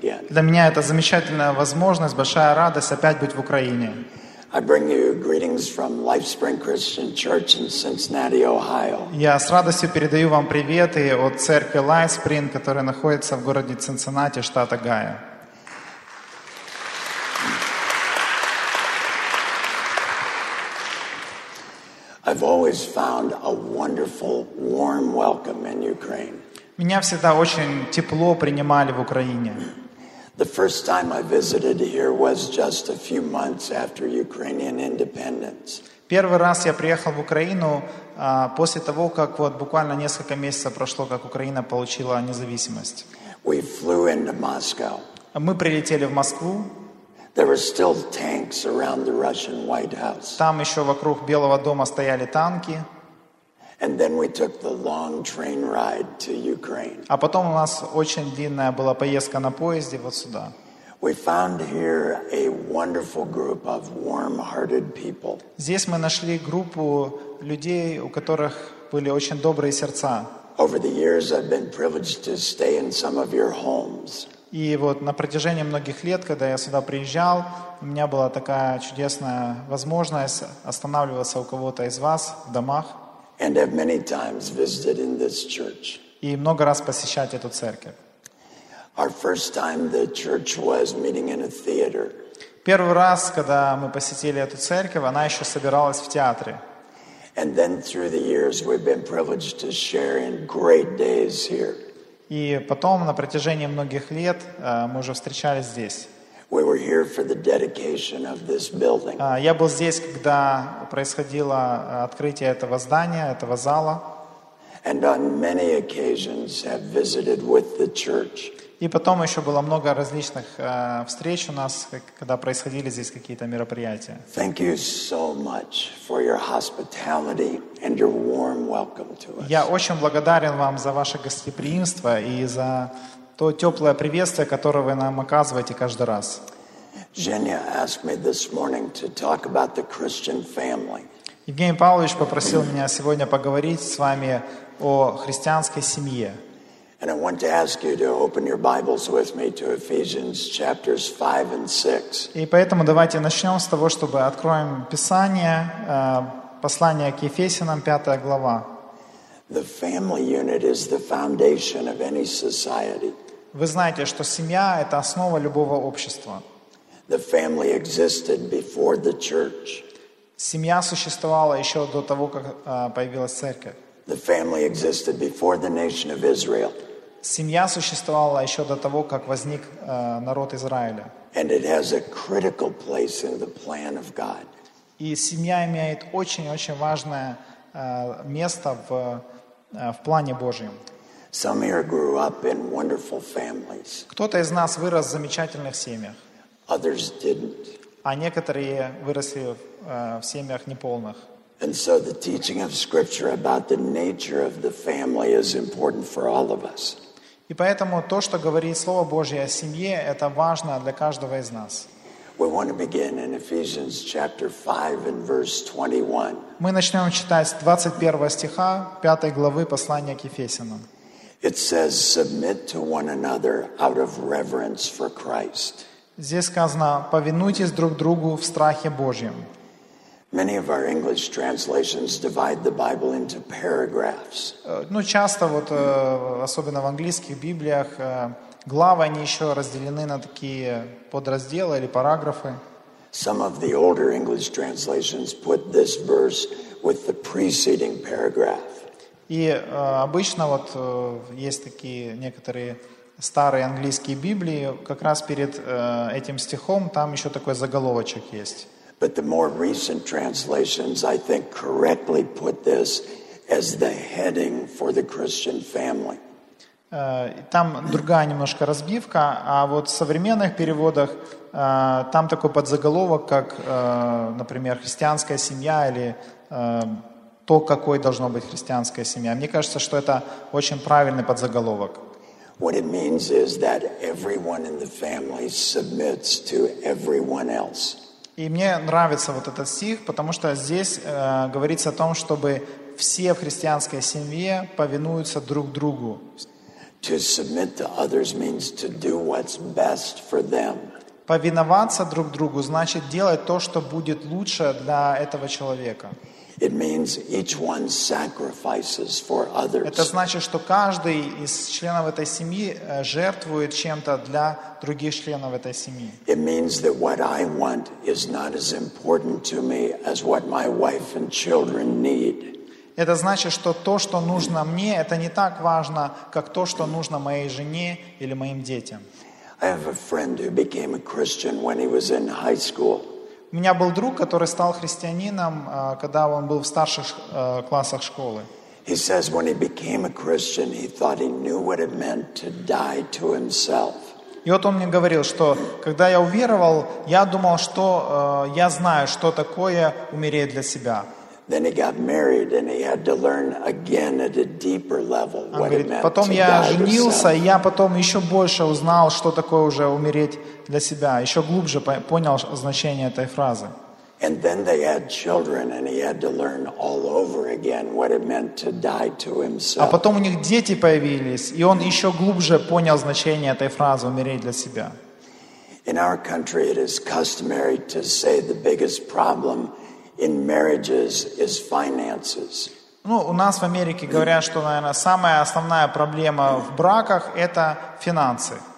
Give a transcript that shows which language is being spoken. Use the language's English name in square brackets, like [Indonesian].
[Russian] Для меня это замечательная возможность, большая радость опять быть в Украине. [English] I bring you greetings from LifeSpring Christian Church in Cincinnati, Ohio. [Russian] Я с радостью передаю вам приветы от церкви LifeSpring, которая находится в городе Цинциннати, штат Огайо. [English] I've always found a wonderful, warm welcome in Ukraine. [Russian] Меня всегда очень тепло принимали в Украине. [English] The first time I visited here was just a few months after Ukrainian independence. [Russian] Первый раз я приехал в Украину после того, как вот буквально несколько месяцев прошло, как Украина получила независимость. [English] We flew into Moscow. [Russian] Мы прилетели в Москву. [English] There were still tanks around the Russian White House. [Russian] Там еще вокруг Белого дома стояли танки. [English] And then we took the long train ride to Ukraine. [Russian] А потом у нас очень длинная была поездка на поезде вот сюда. [English] We found here a wonderful group of warm-hearted people. [Russian] Здесь мы нашли группу людей, у которых были очень добрые сердца. [English] Over the years I've been privileged to stay in some of your homes. [Russian] И вот на протяжении многих лет, когда я сюда приезжал, у меня была такая чудесная возможность останавливаться у кого-то из вас в домах. [English] And have many times visited in this church. [Russian] И много раз посещать эту церковь. [English] Our first time the church was meeting in a theater. [Russian] Первый раз, когда мы посетили эту церковь, она еще собиралась в театре. [English] And then through the years we've been privileged to share in great days here. [Russian] И потом на протяжении многих лет мы уже встречались здесь. [English] We were here for the dedication of this building. [Russian] Я был здесь, когда происходило открытие этого здания, этого зала. [English] And on many occasions have visited with the church. [Russian] И потом еще было много различных встреч у нас, когда происходили здесь какие-то мероприятия. [English] Thank you so much for your hospitality and your warm welcome to us. [Russian] Я очень благодарен вам за ваше гостеприимство и за то теплое приветствие, которое вы нам оказываете каждый раз. [English] Женя asked me this morning to talk about the Christian family. [Russian] Евгений Павлович попросил меня сегодня поговорить с вами о христианской семье. [English] And I want to ask you to open your Bibles with me to Ephesians chapters 5 and 6. [Russian] И поэтому давайте начнем с того, чтобы откроем Писание, послание к Ефесянам, 5 глава. [English] The family unit is the foundation of any society. [Russian] Вы знаете, что семья — это основа любого общества. [English] The family existed before the church. [Russian] Семья существовала еще до того, как появилась церковь. [English] The family existed before the nation of Israel. [Russian] Семья существовала еще до того, как возник народ Израиля. [English] And it has a critical place in the plan of God. [Russian] И семья имеет очень-очень важное место в плане Божьем. [English] Some here grew up in wonderful families. [Russian] Кто-то из нас вырос в замечательных семьях. [English] Others didn't. [Russian] А некоторые выросли в семьях неполных. [English] And so the teaching of Scripture about the nature of the family is important for all of us. [Russian] И поэтому то, что говорит Слово Божье о семье, это важно для каждого из нас. [English] We want to begin in Ephesians chapter 5 and verse 21. [Russian] Мы начнем читать с 21 стиха 5 главы послания к Ефесянам. [English] It says, "Submit to one another out of reverence for Christ." [Russian] Здесь сказано: повинуйтесь друг другу в страхе Божьем. [English] Many of our English translations divide the Bible into paragraphs. [Russian] Ну часто вот особенно в английских библиях главы они еще разделены на такие подразделы или параграфы. [English] Some of the older English translations put this verse with the preceding paragraph. [Russian] И обычно вот есть такие некоторые старые английские Библии, как раз перед этим стихом там еще такой заголовочек есть. [English] But the more recent translations, I think, correctly put this as the heading for the Christian family. [Russian] Там другая немножко разбивка, а вот в современных переводах там такой подзаголовок, как, например, христианская семья или то, какой должно быть христианская семья. Мне кажется, что это очень правильный подзаголовок. [English] What it means is that everyone in the family submits to everyone else. [Russian] И мне нравится вот этот стих, потому что здесь говорится о том, чтобы все в христианской семье повинуются друг другу. [English] To submit to others means to do what's best for them. [Russian] Повиноваться друг другу значит делать то, что будет лучше для этого человека. [English] It means each one sacrifices for others. [Russian] Это значит, что каждый из членов этой семьи жертвует чем-то для других членов этой семьи. [English] It means that what I want is not as important to me as what my wife and children need. [Russian] Это значит, что то, что нужно мне, это не так важно, как то, что нужно моей жене или моим детям. [English] I have a friend who became a Christian when he was in high school. [Russian] У меня был друг, который стал христианином, когда он был в старших классах школы. [English] He says when he became a Christian, he thought he knew what it meant to die to himself. [Russian] И вот он мне говорил, что когда я уверовал, я думал, что я знаю, что такое умереть для себя. [English] Then he got married and he had to learn again at a deeper level what it meant to die to [Russian] Потом я женился, и я потом еще больше узнал, что такое уже умереть для себя. Еще глубже понял значение этой фразы. [English] And then they had children and he had to learn all over again what it meant to die to himself. [Russian] А потом у них дети появились, и он еще глубже понял значение этой фразы умереть для себя. [English] In our country it is customary to say the biggest problem in marriages is finances. [Russian] Ну, у нас в Америке говорят, что, наверное, самая основная проблема в браках – это финансы.